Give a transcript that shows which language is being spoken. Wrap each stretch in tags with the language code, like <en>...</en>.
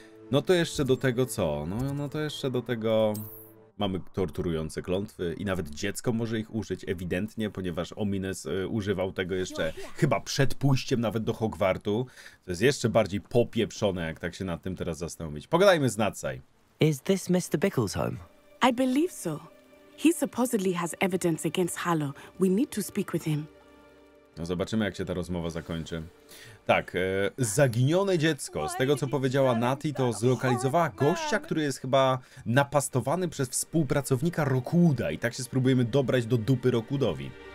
<pl>No to jeszcze do tego co? No to jeszcze do tego... Mamy torturujące klątwy i nawet dziecko może ich użyć ewidentnie, ponieważ Omines używał tego jeszcze chyba przed pójściem nawet do Hogwartu. To jest jeszcze bardziej popieprzone, jak tak się nad tym teraz zastanowić. Pogadajmy z Natsai.</pl> <en>Is this Mr. Bickle's home? I believe so. He supposedly has evidence against Halo. We need to speak with him.</en> <pl>No zobaczymy, jak się ta rozmowa zakończy. Tak, zaginione dziecko. Z tego, co powiedziała Natty, to zlokalizowała gościa, który jest chyba napastowany przez współpracownika Rockwooda. I tak się spróbujemy dobrać do dupy Rockwoodowi.</pl>